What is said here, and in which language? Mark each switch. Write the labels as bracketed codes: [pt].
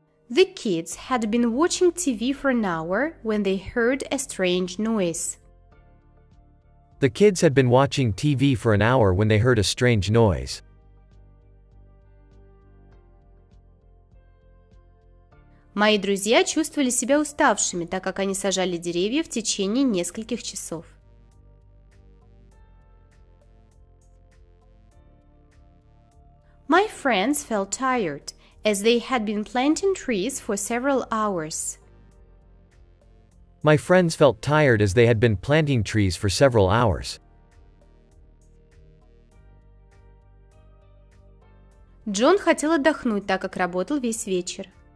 [en] The kids had been watching TV for an hour when they heard a strange noise. The kids had been watching TV for an hour when they heard a strange noise. [ru] Мои друзья чувствовали себя уставшими, так как они сажали деревья в течение нескольких часов. [en] My friends felt tired, as they had been planting trees for several hours. My friends felt tired as they had been planting trees for several hours. [ru] Джон хотел отдохнуть, так как работал весь вечер.